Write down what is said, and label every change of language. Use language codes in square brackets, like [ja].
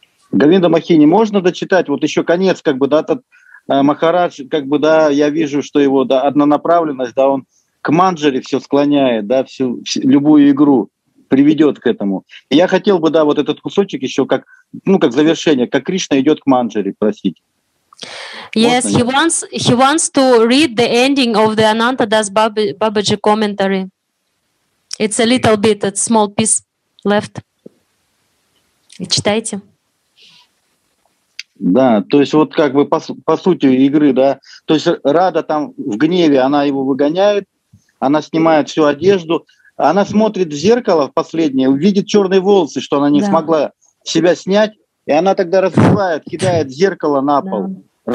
[ru] Говинда Махини, можно дочитать? Вот еще конец, как бы, да, этот Махарадж, как бы, да, я вижу, что его, да, однонаправленность, да, он к Манджаре все склоняет, да, любую игру приведет к этому. И я хотел бы, да, вот этот кусочек еще как, ну, как завершение, как Кришна идет к Манджаре просить. [en] Yes, he wants to read the ending of the Ananta Das Babaji commentary. It's a little bit, a small piece left. [ru] Читайте. Да, то есть вот как бы по сути игры, да, то есть Рада там в гневе, она его выгоняет, она снимает всю одежду, она смотрит в зеркало в последнее, увидит черные волосы, что она не смогла себя снять, и она тогда разбивает, кидает зеркало на пол. Да.